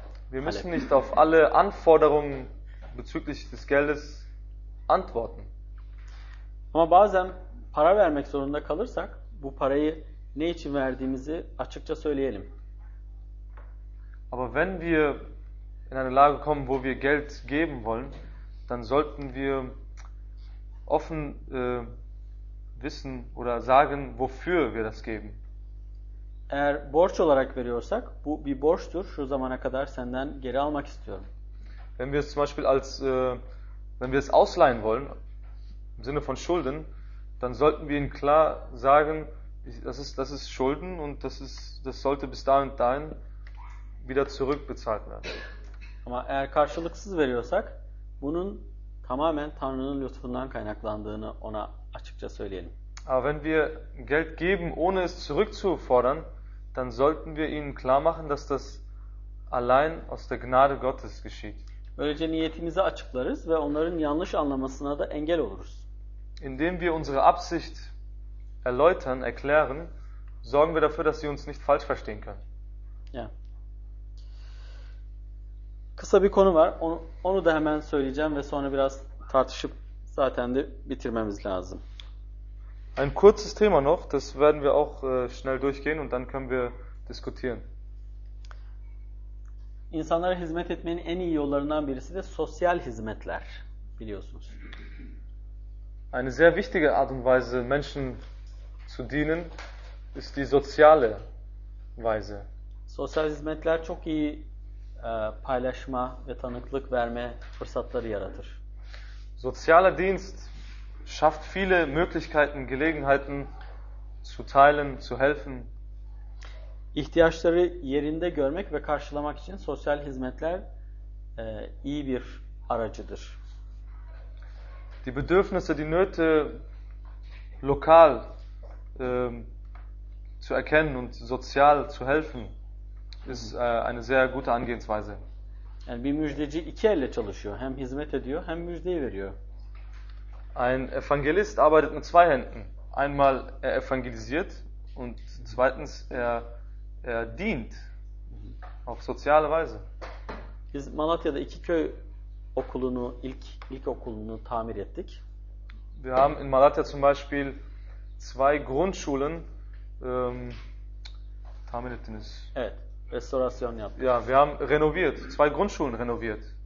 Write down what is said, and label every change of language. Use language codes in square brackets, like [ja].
[de] Wir müssen nicht auf alle Anforderungen bezüglich des Geldes antworten. [tr] Ama bazen para vermek zorunda kalırsak bu parayı ne için verdiğimizi açıkça söyleyelim. [de] Aber wenn wir in eine Lage kommen, wo wir Geld geben wollen, dann sollten wir offen wissen oder sagen, wofür wir das geben. [tr] Eğer borç olarak veriyorsak, bu bir borçtur. Şu zamana kadar senden geri almak istiyorum. [de] Wenn wir es zum Beispiel als wenn wir es ausleihen wollen im Sinne von Schulden, dann sollten wir ihnen klar sagen, das ist Schulden und das sollte bis dahin und dahin wieder zurückbezahlt werden. [tr] Ama eğer karşılıksız veriyorsak, bunun tamamen Tanrı'nın lütfundan kaynaklandığını ona açıkça söyleyelim. [de] Aber wenn wir Geld geben, ohne es zurückzufordern, dann sollten wir ihnen klar machen, dass das allein aus der Gnade Gottes geschieht. [tr] Böylece niyetimizi açıklarız ve onların yanlış anlamasına da engel oluruz. [de] Indem wir unsere Absicht erläutern, erklären, sorgen wir dafür, dass sie uns nicht falsch verstehen können. Ja. [tr] Kısa bir konu var. Onu da hemen söyleyeceğim ve sonra biraz tartışıp zaten de bitirmemiz lazım. [de] Ein kurzes Thema noch, das werden wir auch schnell durchgehen und dann können wir diskutieren. [tr] İnsanlara hizmet etmenin en iyi yollarından birisi de sosyal hizmetler, biliyorsunuz. [de] Eine sehr wichtige Art und Weise, Menschen zu dienen, ist die soziale Weise. [tr] Sosyal hizmetler çok iyi paylaşma ve tanıklık verme fırsatları yaratır. [de] Sozialer Dienst schafft viele Möglichkeiten, Gelegenheiten zu teilen, zu helfen. [tr] İhtiyaçları yerinde görmek ve karşılamak için sosyal hizmetler iyi bir aracıdır. [de] Die Bedürfnisse, die Nöte lokal zu erkennen und sozial zu helfen ist eine sehr gute Angehensweise. [tr] Yani bir müjdeci iki elle çalışıyor. Hem hizmet ediyor, hem müjdeyi veriyor. [de] Ein Evangelist arbeitet mit zwei Händen. Einmal er evangelisiert und zweitens er dient auf soziale Weise. [tr] Biz Malatya'da iki köy okulunu, ilk okulunu tamir ettik. [de] Wir haben in Malatya zum Beispiel zwei Grundschulen [tr] tamir ettiniz. Evet. Restorasyon yaptık. [de] Ja, wir haben renoviert. Zwei Grundschulen renoviert.